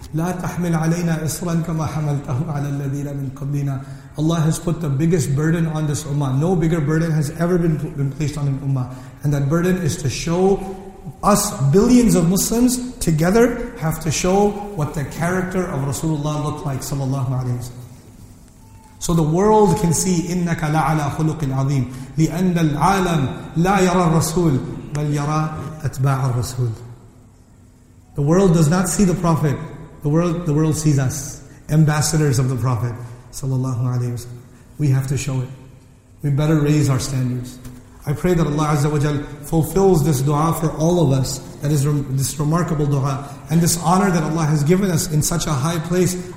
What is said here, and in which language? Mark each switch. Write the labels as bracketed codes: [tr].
[ar] لَا تَحْمِلْ عَلَيْنَا إِصْرًا كَمَا حَمَلْتَهُ عَلَى الَّذِينَ مِنْ قَبْلِنَا. [en] Allah has put the biggest burden on this ummah. No bigger burden has ever been placed on an ummah. And that burden is to show us, billions of Muslims, together have to show what the character of Rasulullah looked like, sallallahu alayhi wa sallam. So the world can see, [ar] إِنَّكَ لَعَلَى خُلُقٍ عَظِيمٍ لِأَنَّ الْعَالَمْ لَا يَرَى الرَّسُولِ بَلْ يَرَى أَتْبَاعَ الرَّسُولِ. [en] The world does not see the Prophet. The world sees us, ambassadors of the Prophet. Sallallahu alayhi wa sallam. We have to show it. We better raise our standards. I pray that Allah Azza wa Jal fulfills this dua for all of us. That is this remarkable dua. And this honor that Allah has given us in such a high place.